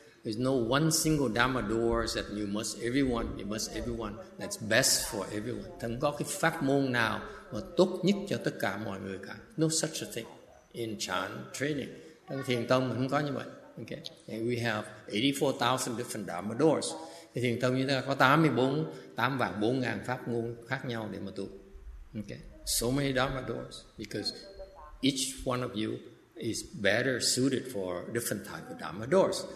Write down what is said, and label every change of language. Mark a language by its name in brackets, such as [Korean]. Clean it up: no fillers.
[English] There's no one single Dharma doors that you must everyone that's best for everyone. [Vietnamese] Không có cái pháp môn nào mà tốt nhất cho tất cả mọi người cả. [English] No such a thing in Chan training. [Vietnamese] Trong thiền tông không có như vậy. [English] Okay. And we have 84,000 different Dharma doors. [Vietnamese] Thì thiền tông chúng ta có 84,000 pháp môn khác nhau để mà tu. [English] Okay. So many Dharma doors because each one of you is better suited for different type of Dharma doors.